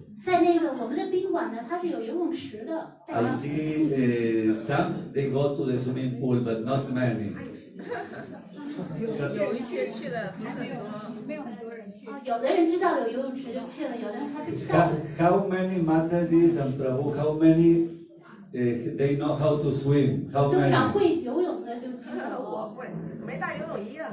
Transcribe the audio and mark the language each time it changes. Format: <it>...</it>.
<zh>在那个我们的宾馆呢，它是有游泳池的。</zh> <en>I see some they go to the swimming pool, but not many.</en> <zh>有一些去的，不是很多，没有很多人去。有的人知道有游泳池就去了，有的人还不知道。</zh> <en>How many Matajis and Prabhu? How many They know how to swim. How many?</en> <zh>都要会游泳的就举手。我会，没带游泳衣啊。</zh>